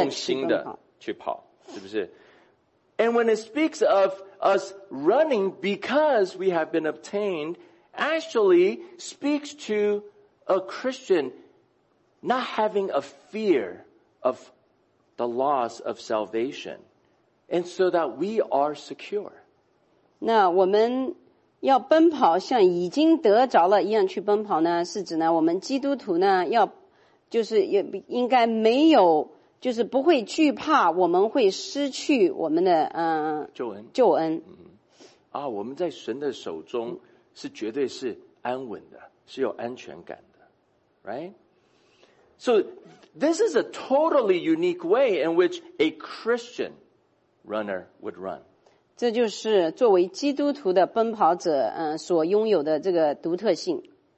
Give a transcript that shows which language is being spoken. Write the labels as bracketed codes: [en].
[zh] 用心的去跑是不是 [en] And when it speaks of us running because we have been obtained actually speaks to a Christian not having a fear of the loss of salvation and so that we are secure [zh] 那我们要奔跑像已经得着了一样去奔跑呢，是指呢我们基督徒呢要就是也应该没有就是不会惧怕我们会失去我们的救恩救恩、嗯、啊，我们在神的手中是绝对是安稳的，是有安全感的 right? [en] So this is a totally unique way in which a Christian runner would run. [zh] 这就是作为基督徒的奔跑者所拥有的这个独特性。